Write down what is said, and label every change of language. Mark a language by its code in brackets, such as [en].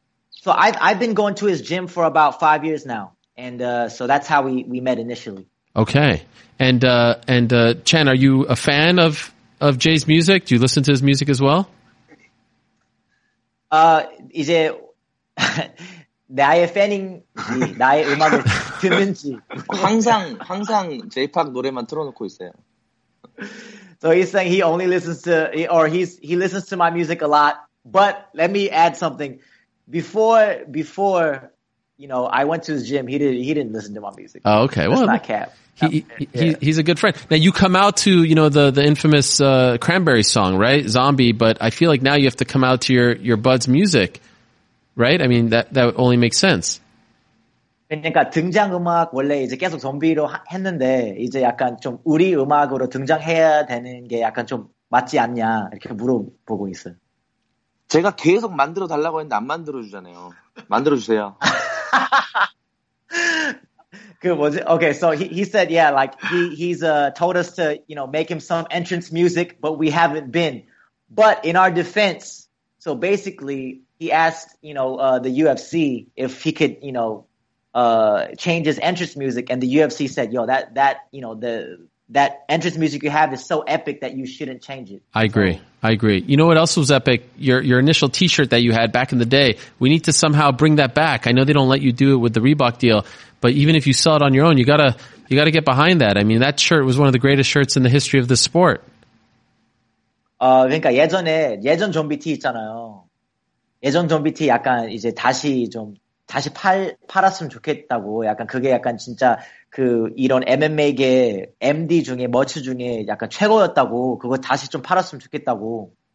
[en] So I've been going to his gym for about 5 years now. And so that's how we met initially. Okay. And Chan, are you a fan of Jay's music? Do you listen to his music as well? Is it... [ko] 나의 팬인지 나의 음악을 듣는지 항상 J-pop 노래만 틀어놓고 있어요. [en] So he's saying he only listens to or he listens to my music a lot. But let me add something. Before you know, I went to his gym. He didn't listen to my music. Oh, okay. That's, well, not cap. He's a good friend. Now you come out to, you know, the infamous Cranberry song, right, Zombie. But I feel like now you have to come out to your bud's music. Right? I mean, that only makes sense. [ko] 그러니까 등장 음악 원래 이제 계속 좀비로 했는데 이제 약간 좀 우리 음악으로 등장해야 되는 게 약간 좀 맞지 않냐 이렇게 물어보고 있어요. 제가 계속 만들어 달라고 했는데 안 만들어 주잖아요. 만들어 주세요. 그 뭐지? [en] Okay, so he said, yeah, like he's told us to, you know, make him some entrance music, but we haven't been. But in our defense, so basically. He asked, you know, the UFC if he could, you know, change his entrance music, and the UFC said, "Yo, that you know, that entrance music you have is so epic that you shouldn't change it." I agree. You know what else was epic? Your initial T-shirt that you had back in the day. We need to somehow bring that back. I know they don't let you do it with the Reebok deal, but even if you sell it on your own, you gotta get behind that. I mean, that shirt was one of the greatest shirts in the history of the sport. [ko] 그러니까 예전 좀비 티 있잖아요. 예전 좀비 티 약간 이제 다시 팔았으면 좋겠다고 약간 그게 약간 진짜 그 이런 MMA계 MD 중에 머츠 중에 약간 최고였다고 그거 다시 좀 팔았으면 좋겠다고.